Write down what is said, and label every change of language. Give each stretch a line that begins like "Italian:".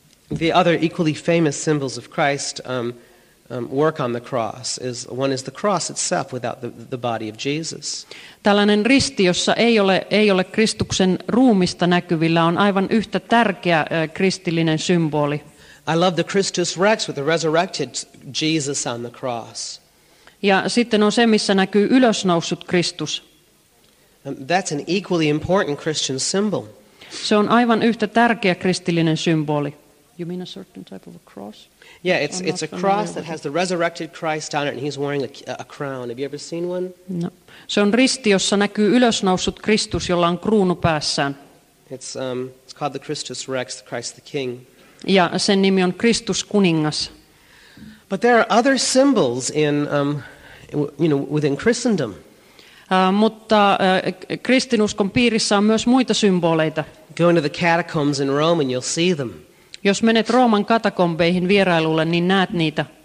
English: The other equally famous symbols of Christ work on the cross is one is the cross itself without the body of Jesus.
Finnish: Tällainen risti, jossa ei ole Kristuksen ruumista näkyvillä, on aivan yhtä tärkeä kristillinen symboli.
English: I love the Christus Rex with the resurrected Jesus on the cross.
Finnish: Ja sitten on se, missä näkyy ylösnoussut Kristus.
English: That's an equally important Christian symbol.
Finnish: Se on aivan yhtä tärkeä kristillinen symboli.
English: You mean a certain type of a cross? Yeah, it's a cross that has the resurrected Christ on it, and he's wearing a crown. Have you ever seen one? No.
Finnish: Se on risti, jossa näkyy ylösnoussut Kristus, jolla on kruunu päässään.
English: It's called the Christus Rex, the Christ the King.
Finnish: Ja sen nimi on Kristus kuningas.
English: But there are other symbols in, within Christendom.
Finnish: Mutta kristinuskon piirissä on myös muita symboleita.
English: Go into the catacombs in Rome and you'll see them.
Finnish: Jos menet Rooman katakombeihin vierailulle, niin näet niitä.